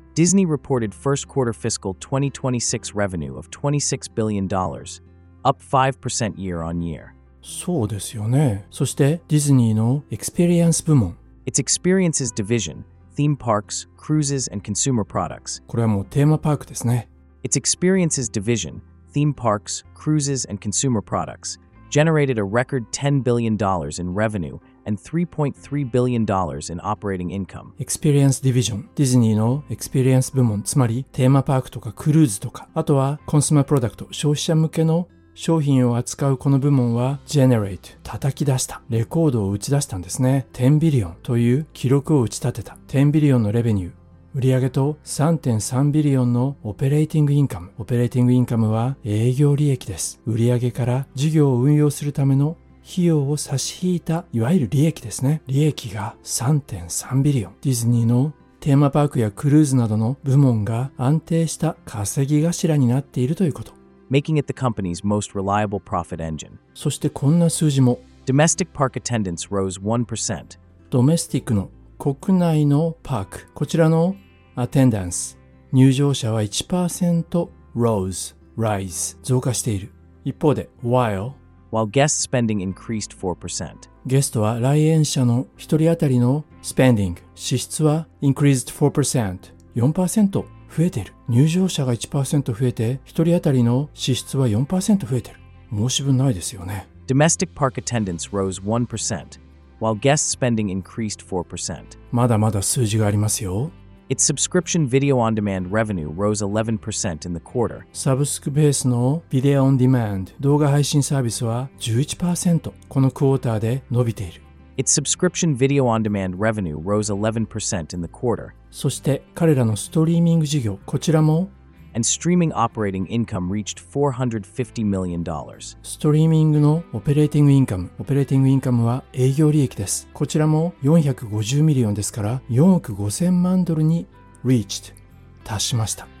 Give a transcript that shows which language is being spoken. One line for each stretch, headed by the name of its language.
English: Disney reported first quarter fiscal 2026 revenue of $26 billion, up 5% year on year。
Japanese: そうですよね。そしてディズニーのエクスペリエンス部門、
English: Its experiences division、 theme parks、 cruises and consumer products、
Japanese: これはもうテーマパークですね。
English: Its experiences divisionTheme parks, cruises, and consumer products generated a record $10 billion in revenue and $3.3 billion in operating income.
Japanese: Experience Division, Disney の Experience 部門、つまりテーマパークとかクルーズとか、あとは Consumer Product、消費者向けの商品を扱うこの部門は Generate、叩き出した、レコードを打ち出したんですね。 10 billion という記録を打ち立てた。10 billion のレベニュー、売上と 3.3 ビリオンのオペレーティングインカム。オペレーティングインカムは営業利益です。売上から事業を運用するための費用を差し引いた、いわゆる利益ですね。利益が 3.3 ビリオン。ディズニーのテーマパークやクルーズなどの部門が安定した稼ぎ頭になっているということ。
English: Making it the company's most reliable profit engine.
Japanese: そしてこんな数字も。
English: Domestic park attendance rose 1%.
Japanese: ドメスティックの国内のパーク、こちらのアテンダンス、入場者は 1% rise 増加している。一方で while
English: guest spending increased 4%、
Japanese: ゲストは来園者の一人当たりの spending 支出は
English: increased 4%、
Japanese: 4% 増えている。入場者が 1% 増えて、一人当たりの支出は 4% 増えている。申し分ないですよね。
English: Domestic park attendance rose 1%while guest spending increased 4%.
Japanese: まだまだ数字がありますよ。
English: Its subscription video on demand revenue rose 11% in the quarter.
Japanese: サブスクベースのビデオオンデマンド、動画配信サービスは 11% このクォーターで伸びている。
English: Its subscription video on demand revenue rose 11% in the quarter.
Japanese: そして彼らのストリーミング事業、こちらも
English: And streaming operating income reached $450 million.
Japanese: ストリーミングのオペレーティングインカム、オペレーティングインカムは営業利益です。こちらも450ミリオンですから、4億5000万ドルに reached、達しました。